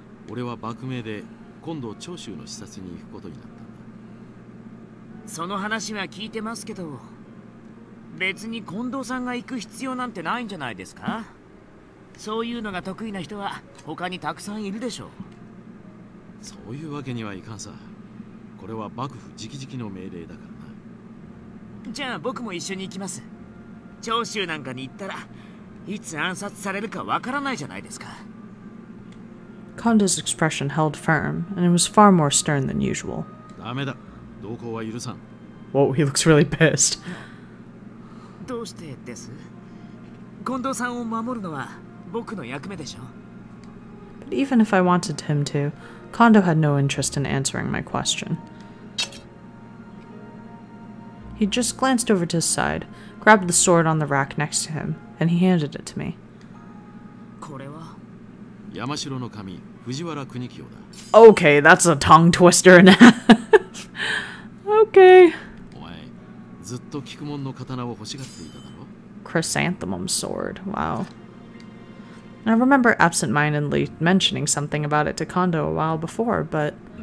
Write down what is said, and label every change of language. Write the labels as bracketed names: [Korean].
[English] I was in the middle of the Choshu expedition. I've heard that story, but I don't think there's a need for Kondo-san to go, right? People who are skilled at it are plenty of others. [Japanese] そういうわけにはいかんさ。これは幕府直々の命令だからな。じゃあ僕も一緒に行きます。長州なんかに行ったらいつ暗殺されるかわからないじゃないですか。 [English] Konda's expression held firm, and it was far more stern than usual. [Japanese] ダメだ。同行は許さん。 [English] Whoa, he looks really pissed. [Japanese] どうしてです? 近藤さんを守るのは僕の役目でしょ? [English] But even if I wanted him to, Kondo had no interest in answering my question. He just glanced over to his side, grabbed the sword on the rack next to him, and he handed it to me. [Japanese] これは? Yamashiro の神、Fujiwara Kunikyo だ。 [English] Okay, that's a tongue twister and a half. Okay. [Japanese] お前、ずっと聞くもんの刀を欲しがっていただろ? [English] Chrysanthemum sword, wow. I remember absentmindedly mentioning something about it to Kondo a while before, but...